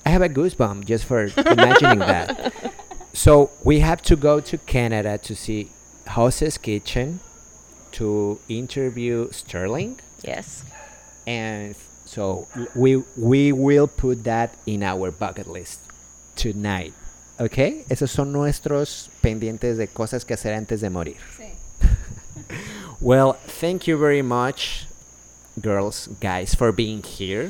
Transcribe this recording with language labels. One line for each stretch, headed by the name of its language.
English: I have a goosebump just for imagining that. So we have to go to Canada to see Jose's kitchen to interview Sterling. Yes. And so we will put that in our bucket list tonight. Okay?
Spanish: Esos son nuestros pendientes de cosas que hacer antes de morir. Sí.
English: Well, thank you very much, girls, guys, for being here.